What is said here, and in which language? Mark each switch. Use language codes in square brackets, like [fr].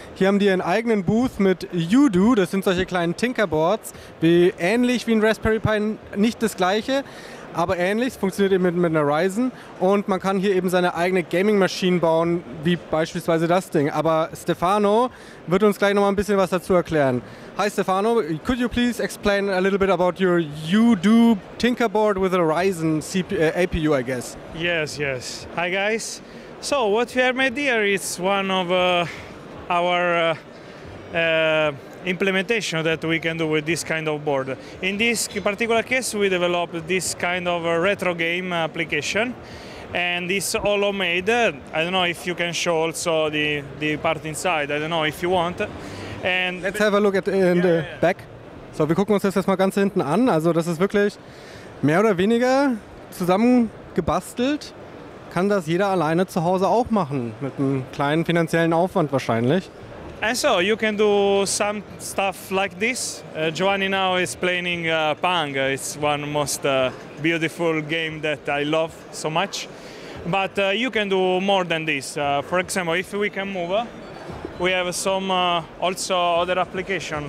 [de] Hier haben die ihren eigenen Booth mit Udoo, das sind solche kleinen Tinkerboards, wie ähnlich wie ein Raspberry Pi, nicht das gleiche, aber ähnlich, es funktioniert eben mit einer Ryzen und man kann hier eben seine eigene Gaming-Maschine bauen, wie beispielsweise das Ding. Aber Stefano wird uns gleich nochmal ein bisschen was dazu erklären. [en] Hi Stefano, could you please explain a little bit about your Udoo Tinkerboard with a Ryzen APU, I guess? Yes, yes. Hi guys. So, what we have made here is one of our implementation that we can do with this kind of board. In this particular case, we developed this kind of a retro game application, and it's all homemade. I don't know if you can show also the part inside. I don't know if you want. And let's have a look at the back. [de] So, wir gucken uns das erstmal ganz hinten an. Also, das ist wirklich mehr oder weniger zusammengebastelt. Kann das jeder alleine zu Hause auch machen, mit einem kleinen finanziellen Aufwand wahrscheinlich. [en] And so you can do some stuff like this. Giovanni now is playing Pong. It's one most beautiful game that I love so much. But you can do more than this. For example, if we can move, we have some also other application.